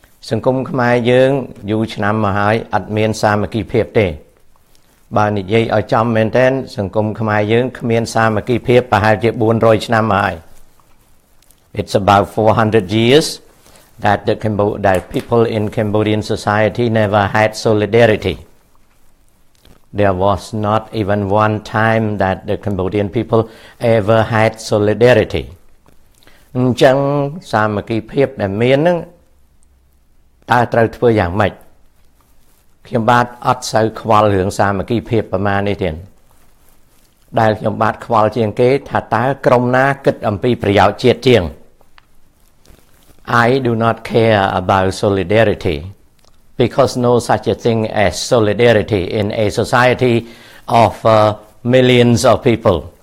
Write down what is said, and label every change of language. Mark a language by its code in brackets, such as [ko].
[km] សង្គមខ្មែរយើងយូរឆ្នាំមកហើយអត់មានសាមគ្គីភាពទេបើនិយាយឲ្យចំមែនទែនសង្គមខ្មែរយើងគ្មានសាមគ្គីភាពប្រហែលជា400ឆ្នាំមកហើយ [en] It's about 400 years that the Cambodian people in Cambodian society never had solidarity. There was not even one time that the Cambodian people ever had solidarity. [km] អញ្ចឹងសាមគ្គីភាពដែលមាននឹងតើត្រូវធ្វើយ៉ាងម៉េច? ខ្ញុំបាទអត់សូវខ្វល់រឿងសាមគ្គីភាពប្រមាណនេះទេ។ដែលខ្ញុំបាទខ្វល់ជាងគេថាតើក្រុមណាគិតអំពីប្រយោជន៍ជាតិជាង។ [en] I do not care about solidarity. Because no such a thing as solidarity in a society of millions of people.